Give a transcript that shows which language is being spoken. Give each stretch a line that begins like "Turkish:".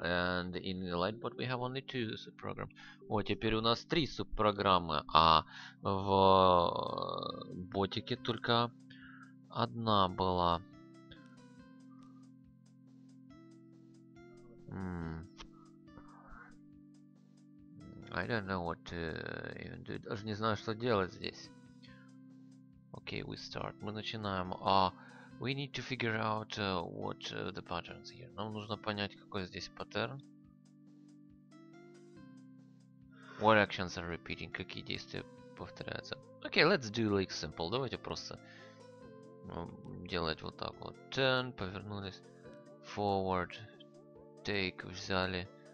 English: And in the Lightbot we have only two subprograms.
Russian: Вот, теперь у нас три субпрограммы, а в ботике только одна была.
English: I don't know what to even do.
Russian: Даже не знаю, что делать здесь.
English: Okay, we start.
Russian: Мы начинаем.
English: We need to figure out what the patterns here.
Russian: Нам нужно понять, какой здесь паттерн.
English: What actions are repeating?
Russian: Какие действия повторяется. Окей,
English: let's do like simple.
Russian: Давайте просто делать вот так вот.
English: Turn,
Russian: повернулись.
English: Forward, take,
Russian: взяли.